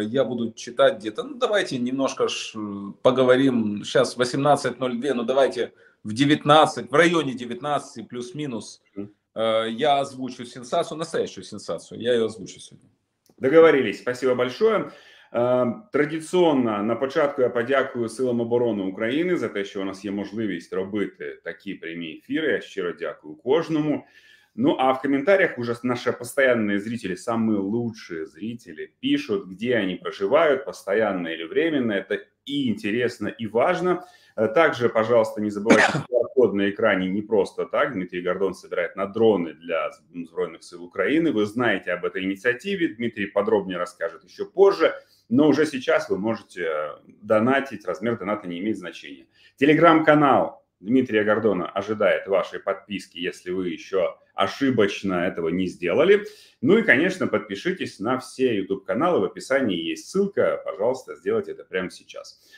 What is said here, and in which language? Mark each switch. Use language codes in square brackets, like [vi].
[ru] Я буду читать где-то, ну, давайте немножко поговорим. Сейчас 18:02, но давайте в 19, в районе 19 плюс-минус я озвучу сенсацию, настоящую сенсацию. Я ее озвучу сегодня. Договорились, спасибо большое. [uk] Традиционно на початку я подякую силам оборони України за те, що у нас є можливість робити такі прямі ефіри. Я щиро дякую кожному. Ну, а в коментарях уже наші постоянні зрителі, самі лучші зрителі, пишуть, де вони проживають, [ru] постоянно чи временно. [uk] Це і інтересно, і важливо. Також, пожалуйста, не забувайте, код на екрані не просто так. Дмитрий Гордон собирає на дрони для Збройних сил України. Ви знаєте об этой ініціативі. [ru] Дмитрий подробнее [uk] розкаже ще [ru] позже. Но уже сейчас вы можете донатить, размер доната не имеет значения. Телеграм-канал Дмитрия Гордона ожидает вашей подписки, если вы еще ошибочно этого не сделали. Ну и, конечно, подпишитесь на все YouTube-каналы, в описании есть ссылка, пожалуйста, сделайте это прямо сейчас.